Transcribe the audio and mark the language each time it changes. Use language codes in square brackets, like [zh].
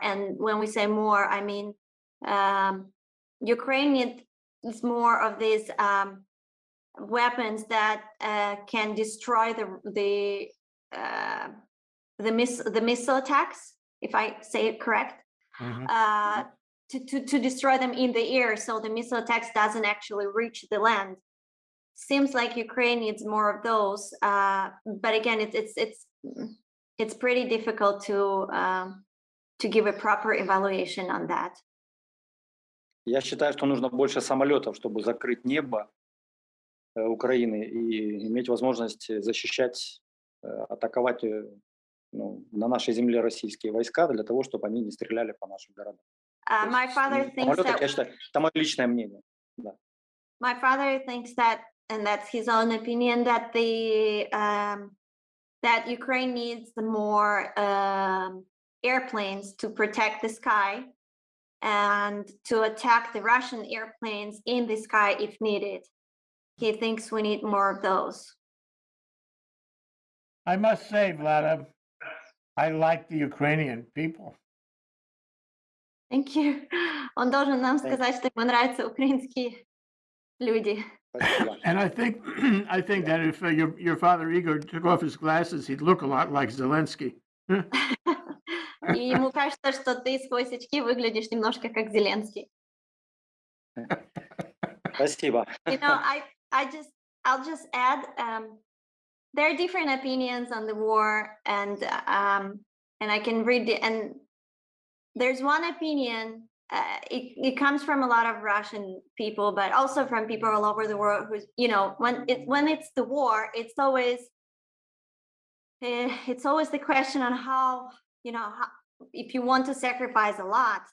[en] And when we say more, I mean Ukraine needs more of these weapons that can destroy the missile attacks, if I say it correct, to destroy them in the air, so the missile attacks doesn't actually reach the land. Seems like Ukraine needs more of those, but again, it's pretty difficult to give a proper evaluation on that. [ru] Я считаю, что нужно больше самолетов, чтобы закрыть небо Украины и иметь возможность защищать, атаковать. Ну, на нашей земле российские войска для того, чтобы они не стреляли по нашим городам. [en] My father thinks that. [ru] Я считаю, это мое личное мнение. Да. [en] My father thinks that, and that's his own opinion, that the that Ukraine needs the more airplanes to protect the sky and to attack the Russian airplanes in the sky if needed. He thinks we need more of those. I must say, Vlada, I like the Ukrainian people. Thank you. [ru] Он должен нам сказать, что ему нравятся украинские люди. [en] And I think that if your father Igor took off his glasses, he'd look a lot like Zelensky. [ru] И ему кажется, что ты сквозь очки выглядишь немножко как Зеленский. Спасибо. [en] You know, I'll just add there are different opinions on the war, and I can read it. And there's one opinion, it comes from a lot of Russian people, but also from people all over the world who's, you know, when it's the war, it's always the question on how, you know, if you want to sacrifice a lot.